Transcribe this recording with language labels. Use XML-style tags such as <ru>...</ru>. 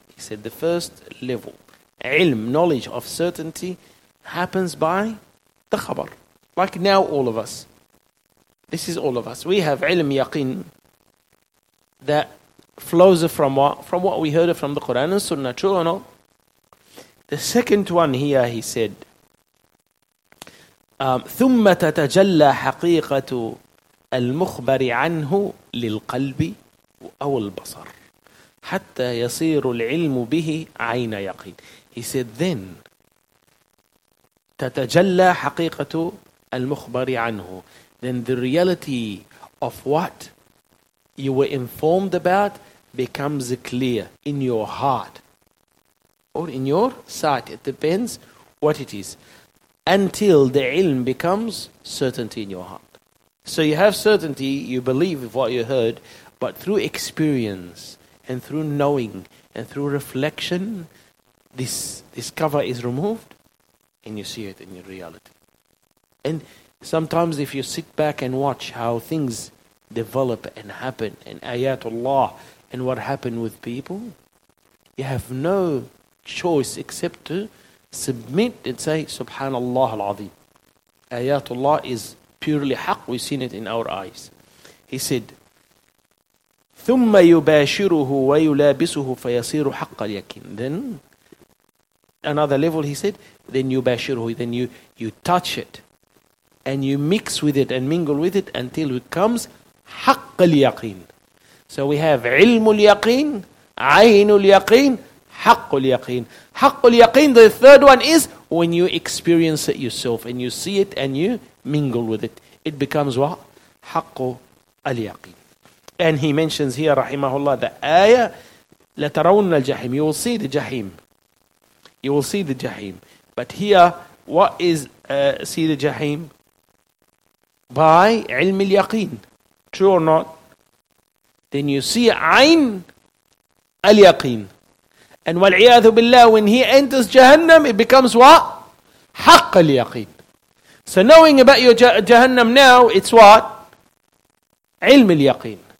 <en>He said, the first level, ilm, knowledge of certainty, happens by the khabar. Like now, all of us. This is all of us. We have ilm yaqeen that flows from what? From what we heard from the Quran and Sunnah, true or not? The second one here, he said,</en> <ar>ثُمَّ تَتَجَلَّى حَقِيقَةُ الْمُخْبَرِ عَنْهُ لِلْقَلْبِ أَوْ الْبَصَرِ. حتى يصير العلم به عين يقين.</ar> <en>He said, then</en> <ar>تتجلى حقيقة المخبر عنه.</ar> <en>Then the reality of what you were informed about becomes clear in your heart or in your sight. It depends what it is. Until the علم becomes certainty in your heart. So you have certainty, you believe of what you heard, but through experience and through knowing and through reflection, this cover is removed and you see it in your reality. And sometimes if you sit back and watch how things develop and happen and ayatullah and what happened with people, you have no choice except to submit and say, Subhanallah al-Azim. Ayatullah is purely haq, we've seen it in our eyes. He said,</en> <ar>ثم يباشره ويلابسه فيصير حق اليقين.</ar> <en>Then another level, he said, then يباشره, then you touch it and you mix with it and mingle with it until it comes حق اليقين. So we have</en> <ar>علم اليقين, عين اليقين, حق اليقين.</ar> <en>حق اليقين, the third one is when you experience it yourself and you see it and you mingle with it, it becomes what?</en> <ar>حق اليقين.</ar> <en>And he mentions here, rahimahullah, the ayah,</en> <ar>لَتَرَوْنَ الْجَحِيمِ.</ar> <en>You will see the Jahim. You will see the Jahim. But here, what is see the Jahim? By</en> <ar>عِلْمِ الْيَقِينِ.</ar> <en>True or not? Then you see عَيْن الْيَقِينِ. And</en> <ar>وَالْعِيَاذُ بِاللَّهِ,</ar> <en>when he enters Jahannam, it becomes what?</en> <ar>حق اليقين.</ar> <en>So knowing about your Jahannam now, it's what?</en> <ar>علم اليقين.</ar>